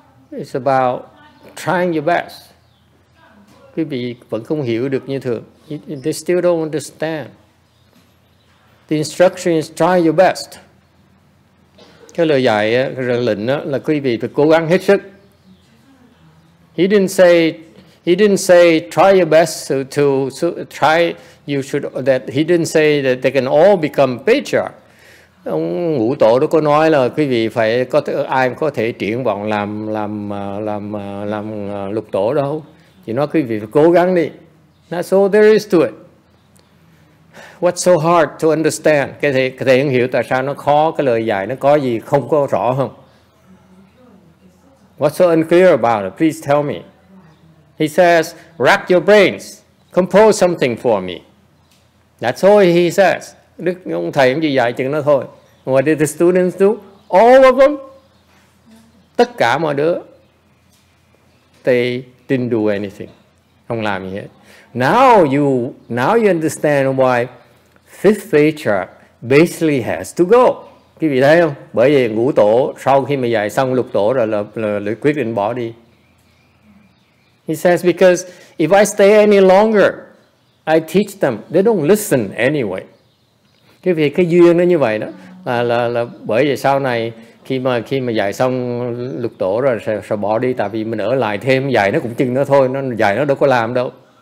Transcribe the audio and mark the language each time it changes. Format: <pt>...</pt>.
<en>It's about trying your best.</en> <vi>Quý vị vẫn không hiểu được như thường.</vi> <en>They still don't understand. The instruction is try your best.</en> <vi>Cái lời dạy, cái ra lệnh là quý vị phải cố gắng hết sức.</vi> <en>He didn't say try your best he didn't say that they can all become patriarch.</en> <vi>Ông Ngũ Tổ đó có nói là quý vị phải có ai có thể triển vọng làm lục tổ đâu. Chỉ nói quý vị phải cố gắng đi.</vi> <en>That's all there is to it. What's so hard to understand?</en> <vi>Cái thầy không hiểu tại sao nó khó, cái lời dạy nó có gì không có rõ không?</vi> <en>What's so unclear about it? Please tell me. He says, rack your brains, compose something for me. That's all he says.</en> <vi>Đức ông thầy cũng chỉ dạy chừng đó thôi.</vi> <en>What did the students do? All of them.</en> <vi>Tất cả mọi đứa.</vi> <en>They didn't do anything.</en> <vi>Không làm gì hết.</vi> <en>Now you understand why fifth patriarch basically has to go.</en> <vi>Quý vị thấy không? Bởi vì ngũ tổ sau khi mà dạy xong lục tổ rồi là quyết định bỏ đi.</vi> <en>He says, because if I stay any longer, I teach them, they don't listen anyway.</en> <vi>Cái việc cái duyên nó như vậy đó là bởi vì sau này khi mà dạy xong lục tổ rồi sẽ bỏ đi, tại vì mình ở lại thêm dạy nó cũng chừng nó thôi, nó dạy nó đâu có làm đâu.</vi>